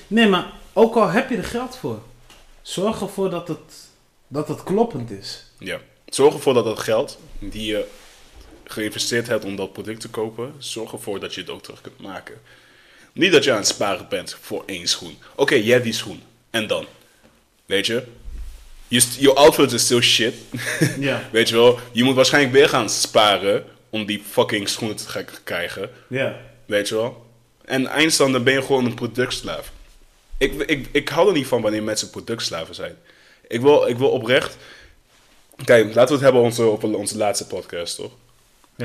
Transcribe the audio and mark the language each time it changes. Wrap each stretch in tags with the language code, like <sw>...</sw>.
<nl>Nee, maar ook al heb je er geld voor. Zorg ervoor dat het kloppend is. Ja. Zorg ervoor dat geld die je geïnvesteerd hebt om dat product te kopen, zorg ervoor dat je het ook terug kunt maken. Niet dat je aan het sparen bent voor één schoen. Oké, je hebt die schoen. En dan? Weet je?</nl> <en>Your outfit is still shit.</en> <nl>Ja. Weet je wel? Je moet waarschijnlijk weer gaan sparen om die fucking schoenen te krijgen. Ja. Weet je wel? En eindstand, dan ben je gewoon een productslaaf. Ik hou er niet van wanneer mensen productslaven zijn. Ik wil oprecht... Kijk, laten we het hebben op onze laatste podcast, toch? Ja.</nl>